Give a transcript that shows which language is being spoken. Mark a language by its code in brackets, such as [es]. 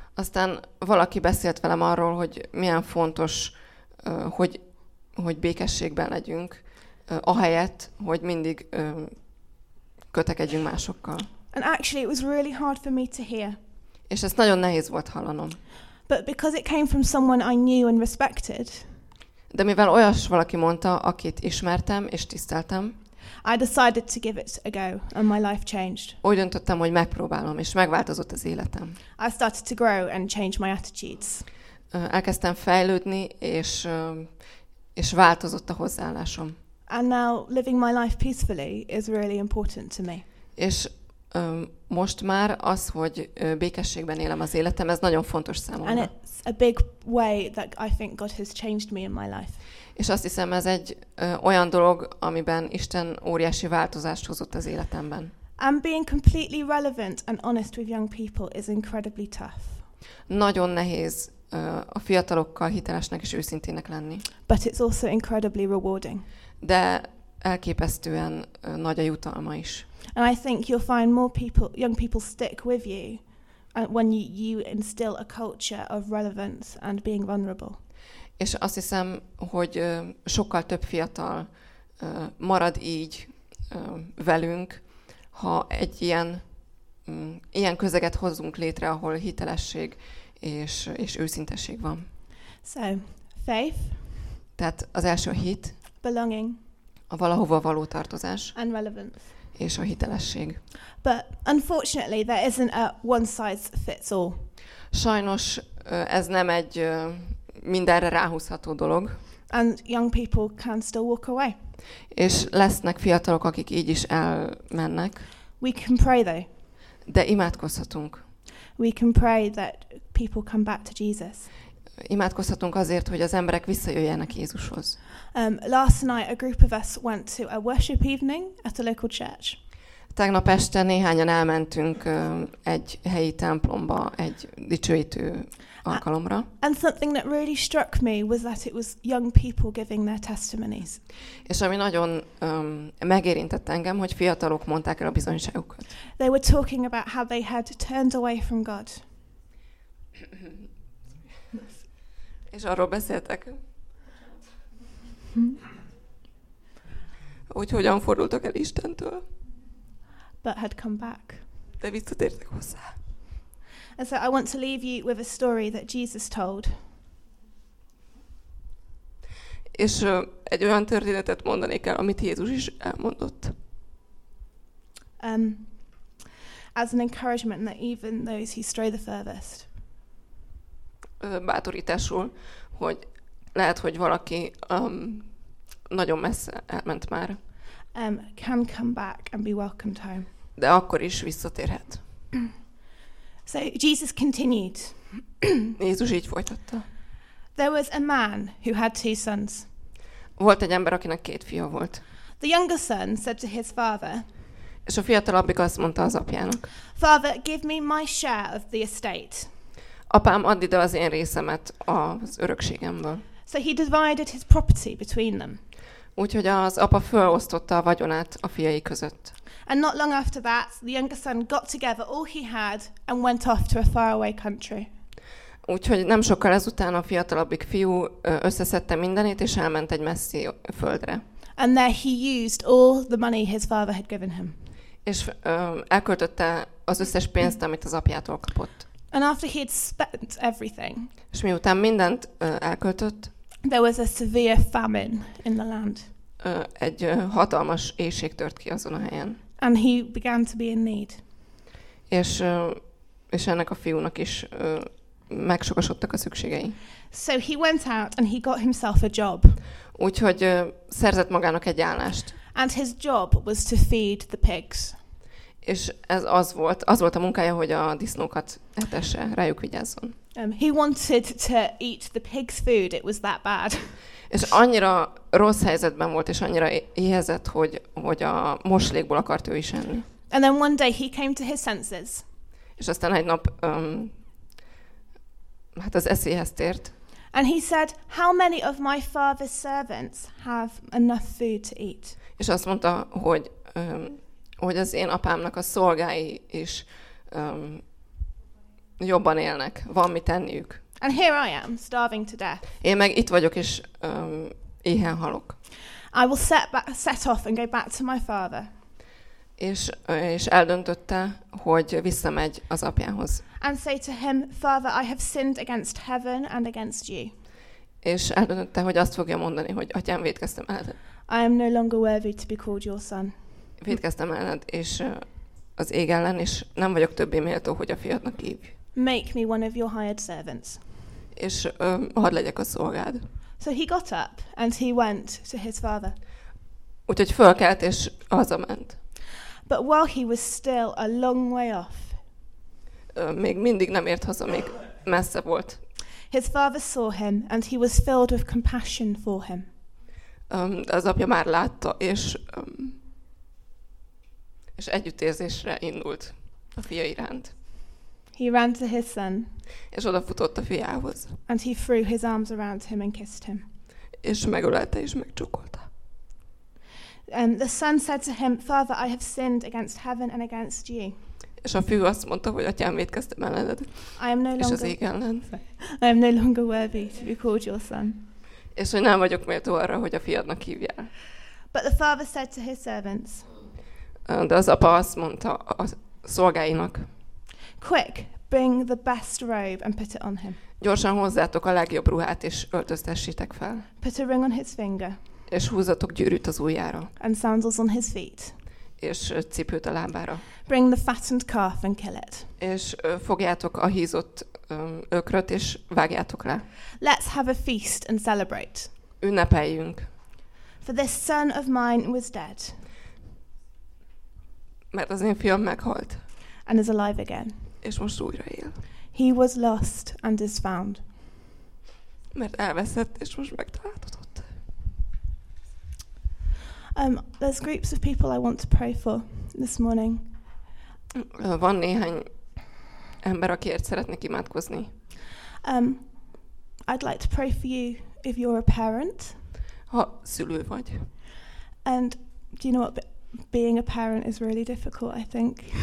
[hu] Aztán valaki beszélt velem arról, hogy milyen fontos, hogy békességben legyünk, ahelyett, hogy mindig kötekedjünk másokkal. [en] And actually it was really hard for me to hear. [hu] És ezt nagyon nehéz volt hallanom. [en] But because it came from someone I knew and respected. [hu] De mivel olyas valaki mondta, akit ismertem és tiszteltem. [en] I decided to give it a go and my life changed. [hu] Úgy döntöttem, hogy megpróbálom, és megváltozott az életem. [en] I started to grow and change my attitudes. [hu] Elkezdtem fejlődni, és változott a hozzáállásom. [en] And now living my life peacefully is really important to me. [hu] És most már az, hogy békességben élem az életem, ez nagyon fontos számomra. [en] And it's a big way that I think God has changed me in my life. [hu] És azt hiszem, ez egy olyan dolog, amiben Isten óriási változást hozott az életemben. [en] And being completely relevant and honest with young people is incredibly tough. [hu] Nagyon nehéz a fiatalokkal hitelesnek és őszintének lenni. [en] But it's also incredibly rewarding. [hu] De elképesztően nagy a jutalma is. [en] And I think you'll find more people, young people stick with you when you instill a culture of relevance and being vulnerable. [hu] És azt hiszem, hogy sokkal több fiatal marad így velünk, ha egy ilyen közeget hozunk létre, ahol hitelesség és őszintesség van. [en] So, faith. [hu] Tehát az első hit. [en] Belonging. [hu] A valahova való tartozás. [en] And relevance. [hu] És a hitelesség. [en] But unfortunately, there isn't a one size fits all. [hu] Sajnos ez nem egy mindenre ráhúzható dolog. [en] And young people can still walk away. [hu] És lesznek fiatalok, akik így is elmennek. [en] We can pray though. [hu] De imádkozhatunk. [en] We can pray that people come back to Jesus. [hu] Imádkozhatunk azért, hogy az emberek visszajöjjenek Jézushoz. [en] Last night a group of us went to a worship evening at a local church. [hu] Tegnap este néhányan elmentünk egy helyi templomba, egy dicsőítő alkalomra. [en] And something that really struck me was that it was young people giving their testimonies. [hu] És ami nagyon megérintett engem, hogy fiatalok mondták el a bizonyságukat. [en] They were talking about how they had turned away from God. [hu] És arról beszéltek. Hogy hogyan fordultak el Istentől? [en] But had come back. [hu] De visszatértek hozzá. [en] And so I want to leave you with a story that Jesus told. [hu] És egy olyan történetet mondanék el, amit Jézus is elmondott. [en] As an encouragement that even those who stray the furthest. [hu] Bátorításul, hogy lehet, hogy valaki nagyon messze elment már. [en] Can come back and be welcomed home. [hu] De akkor is visszatérhet. [en] So Jesus continued. [hu] Jézus így folytatta. [en] There was a man who had two sons. [hu] Volt egy ember, akinek két fia volt. [en] The younger son said to his father. [hu] És a fiatalabbik azt mondta az apjának. [en] Father, give me my share of the estate. [hu] Apám, add ide az én részemet az örökségemből. [en] So he divided his property between them. [hu] Úgyhogy az apa felosztotta a vagyonát a fiai között. [en] And not long after that, the younger son got together all he had and went off to a faraway country. [hu] Úgyhogy nem sokkal ezután a fiatalabbik fiú összeszedte mindenét és elment egy messzi földre. [en] And there he used all the money his father had given him. [hu] És elköltötte az összes pénzt, amit az apjától kapott. [en] And after he had spent everything. [hu] És miután mindent elköltött. [en] There was a severe famine in the land. [hu] Egy hatalmas éhség tört ki azon a helyen. [en] And he began to be in need. [hu] És ennek a fiúnak is megsokasodtak a szükségei. [en] So he went out and he got himself a job. [hu] Úgyhogy szerzett magának egy állást. [en] And his job was to feed the pigs. [hu] És ez az volt a munkája, hogy a disznókat etesse, rájuk vigyázzon. [en] He wanted to eat the pig's food, it was that bad. [hu] És annyira rossz helyzetben volt, és annyira éhezett, hogy a moslékból akart ő is enni. [en] And then one day he came to his senses. [hu] És aztán egy nap hát az eszéhez tért. [en] And he said, how many of my father's servants have enough food to eat? [hu] És azt mondta, hogy hogy az én apámnak a szolgái is jobban élnek, van mit enniük. [en] And here I am, starving to death. [hu] Én meg itt vagyok és éhen halok. [en] I will set off and go back to my father. [hu] És eldöntötte, hogy visszamegy az apjához. [en] And say to him, Father, I have sinned against heaven and against you. [hu] És eldöntötte, hogy azt fogja mondani, hogy atyám, vétkeztem ellened. [en] I am no longer worthy to be called your son. [hu] Vétkeztem ellened, és az ég ellen, és nem vagyok többé méltó, hogy a fiadnak hívj. [en] Make me one of your hired servants. [hu] És hadd legyek a szolgád. [en] So he got up, and he went to his father. [hu] Úgyhogy fölkelt, és hazament. [en] But while he was still a long way off, [hu] még mindig nem ért haza, még messze volt. [en] His father saw him, and he was filled with compassion for him. [hu] Az apja már látta, és együttérzésre indult a fia iránt. [en] He ran to his son. [hu] És odafutott a fiához. [en] And he threw his arms around him and kissed him. [hu] És megölelte és megcsukolta. [en] And the son said to him, Father, I have sinned against heaven and against you. [hu] És a fiú azt mondta, hogy atyám, vétkeztem ellened. [en] I am no longer, [hu] és az ég ellen. [en] I am no longer worthy to be called your son. [hu] És hogy nem vagyok méltó arra, hogy a fiadnak hívjál. [en] But the father said to his servants. [hu] De az apa azt mondta a szolgáinak. [en] Quick, bring the best robe and put it on him. [hu] Gyorsan hozzátok a legjobb ruhát és öltöztessétek fel. [en] Put a ring on his finger. [hu] És húzzatok gyűrűt az ujjára. [en] And sandals on his feet. [hu] És cipőt a lábára. [en] Bring the fattened calf and kill it. [hu] És fogjátok a hízott ökröt és vágjátok le. [en] Let's have a feast and celebrate. [hu] Ünnepeljünk. [en] For this son of mine was dead. [hu] Mert az én fiam meghalt. [en] And is alive again. [hu] És most újra él. [en] He was lost and is found. [hu] Mert elveszett, és most megtaláltatott. [en] There's groups of people I want to pray for this morning. [hu] Van néhány ember, akiért szeretnék imádkozni. [en] I'd like to pray for you if you're a parent. [hu] Ha szülő vagy. [en] And do you know what? Being a parent is really difficult, I think.